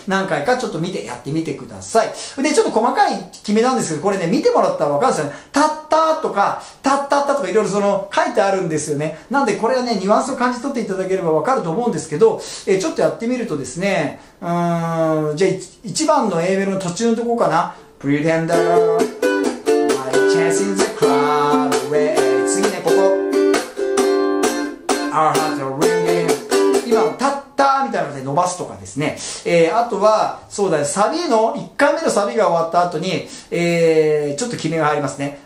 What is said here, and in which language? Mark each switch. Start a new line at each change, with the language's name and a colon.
Japanese: 何回かちょっと見てやってみてください。で、ちょっと細かい決めなんですけど、これね、見てもらったらわかるんですよね。たったーとか、たったったとか、いろいろその、書いてあるんですよね。なんで、これはね、ニュアンスを感じ取っていただければわかると思うんですけど、ちょっとやってみるとですね、じゃあ、1番の A メロの途中のとこかな。
English: Pretender, I chase in the crowd away.
Japanese: 次ね、ここ。
English: Our hearts are ringing.
Japanese: 今、たったみたいなので伸ばすとかですね。あとは、そうだね、サビの、1回目のサビが終わった後に、ちょっと決めが入りますね。